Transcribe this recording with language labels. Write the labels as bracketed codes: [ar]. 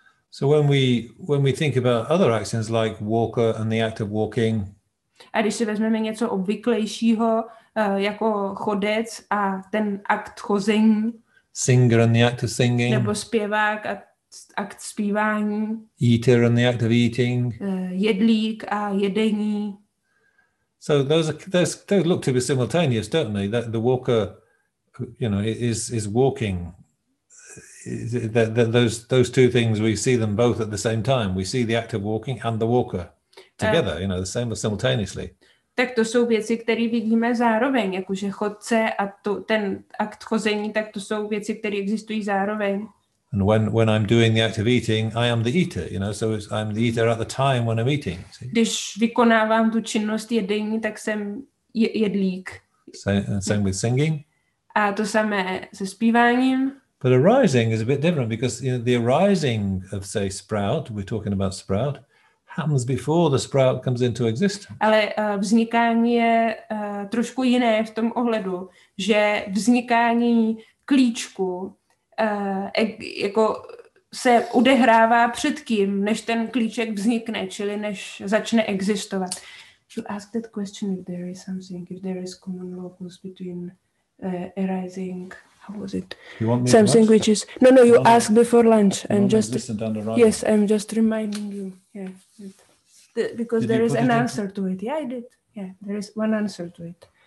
[en] So when we think about other actions like walker and the act of walking. [cs] A když si vezmeme něco obvyklejšího jako chodec a ten akt chození. [en] Singer and the act of singing. [cs] Nebo zpěvák a akt zpívání. [en] Eater and the act of eating. [cs] Jedlík a jedení. [en] So those look to be simultaneous, don't they? That the walker, you know, is walking. Those two things, we see them both at the same time. We see the act of walking and the walker together, you know, the same or simultaneously. [cs] Tak to jsou věci, které vidíme zároveň, jakože chodce a ten akt chození, tak to jsou věci, které existují zároveň. [en] And when I'm doing the act of eating, I am the eater, you know, so I'm the eater at the time when I'm eating. See? [cs] Když vykonávám tu činnost jedení, tak jsem jedlík. [en] Same with singing. [cs] A to samé se zpíváním. [en] But arising is a bit different because, you know, the arising of, say, sprout, we're talking about sprout, happens before the sprout comes into existence. [cs] Ale vznikání je trošku jiné v tom ohledu, že vznikání klíčku jako se odehrává před tím, než ten klíček vznikne, čili než začne existovat. [en] To ask that question if there is something, if there is common locus between arising, how was it? You want me something to ask? Which is no, you ask before lunch. You and just listen down the right. Yes, I'm just reminding you. Yeah, because did there is an answer to it. Yeah, I did. Yeah, there is one answer to it.